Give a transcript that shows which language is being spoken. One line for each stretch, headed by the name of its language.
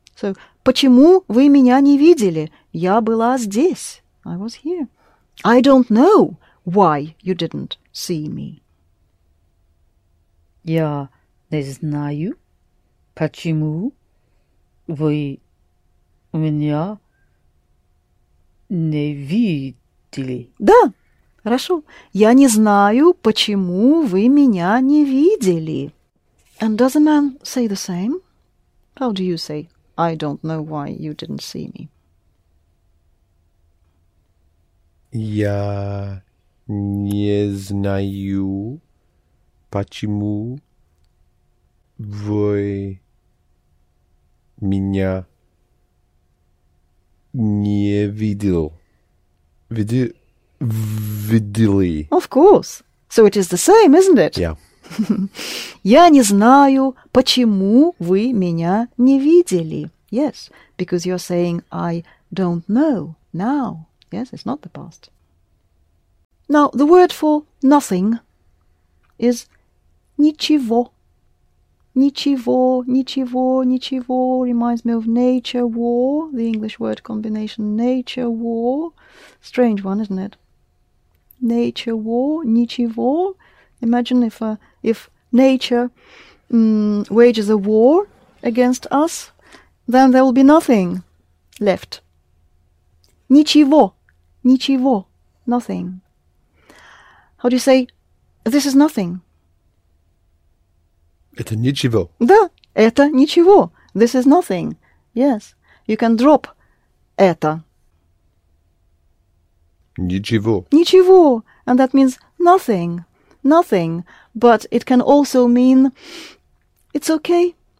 Russian: So, почему вы меня не видели? Я была здесь.
English: I was here. I don't know why you didn't see me.
Russian: Я не знаю, почему вы меня не видели. Да, хорошо. Я не знаю, почему вы меня не видели.
English: And does a man say the same? How do you say, I don't know why you didn't see me?
Russian: Я не знаю, почему вы меня не видел. Видели.
English: Of course. So it is the same, isn't it? Yeah.
Russian: Я не знаю, почему вы меня не видели.
English: Yes, because you're saying I don't know now. Yes, it's not the past. Now, the word for nothing is ничего. Ничего, ничего, ничего reminds me of nature war, the English word combination nature war. Strange one, isn't it? Nature war, ничего. Imagine if nature wages a war against us, then there will be nothing left.
Russian: Ничего, ничего, nothing.
English: How do you say, this is nothing?
Russian: Это ничего. Да, это ничего.
English: This is nothing. Yes, you can drop это.
Russian: Ничего. Ничего.
English: And that means nothing, nothing. But it can also mean it's okay.